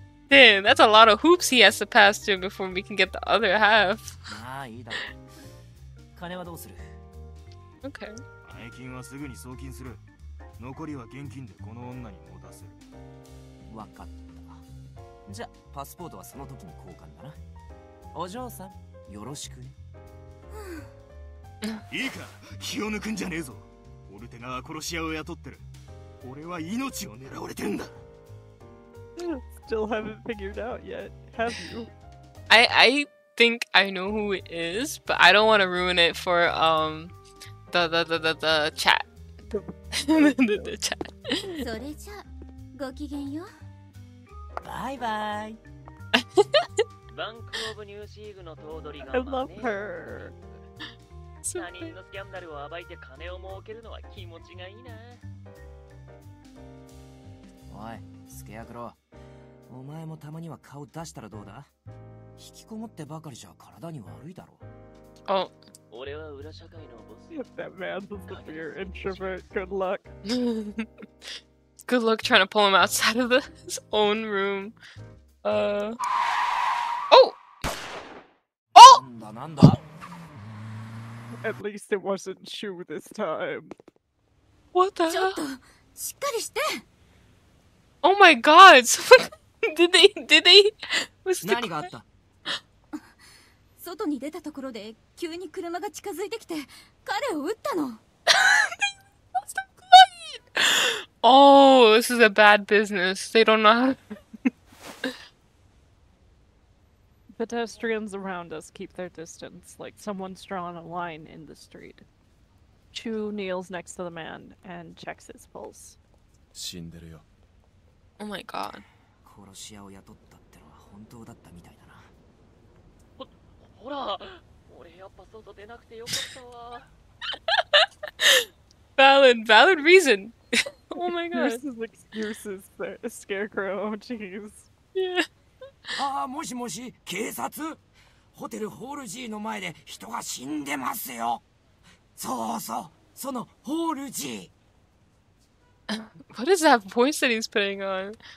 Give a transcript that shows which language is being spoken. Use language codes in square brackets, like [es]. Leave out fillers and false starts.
[en] Damn, that's a lot of hoops he has to pass through before we can get the other half. [ja] いいだろう。金はどうする？ [en] Okay. [ja] 代金はすぐに送金する。残りは現金でこの女に持たせる。わかった。じゃあパスポートはその時に交換だな。お嬢さんよろしくね。いいか、気を抜くんじゃねえぞ。オルテガは殺し屋を雇ってる。俺は命を狙われてんだ。 [en] Still haven't figured out yet, have you? I think I know who it is, but I don't want to ruin it for the chat. the chat. [ja] それじゃごきげんよ。 [en] Bye bye. [ja] Bank of New Sieg の頭取が。 [en] I love her. [ja] 他人のスキャンダルを暴いて金を儲けるのは気持ちがいいな。おい、スケアクロー。お前もたまには顔出したらどうだ？引きこもってばかりじゃ体に悪いだろう。お、俺は裏社会のボス。 [en] If that man is a severe introvert, good luck. Good luck trying to pull him outside of his own room. Oh! Oh! [ja] なんだ? [en] At least it wasn't Shu this time. What the [ja] ちょっと、しっかりして! [en] Oh my god! did they? Was the car? [ja] 何があった? 外に出たところで、急に車が近づいてきて、彼を撃ったの! [en] Oh, this is a bad business. They don't know how to... Pedestrians around us keep their distance, like someone's drawn a line in the street. Chu kneels next to the man and checks his pulse. [ja] 死んでるよ。 [en] Oh my god. [ja] 殺し屋を雇ったってのは本当だったみたいだな。ほら、俺やっぱ外出なくてよかったわ。 [en] Valid reason. Oh my god. This is excuses, Scarecrow. Oh, jeez. Yeah. [ja] Ah, もしもし、警察？ホテルホール G の前で人が死んでますよ。そうそう、そのホール G。 [en] What is that voice that he's putting on?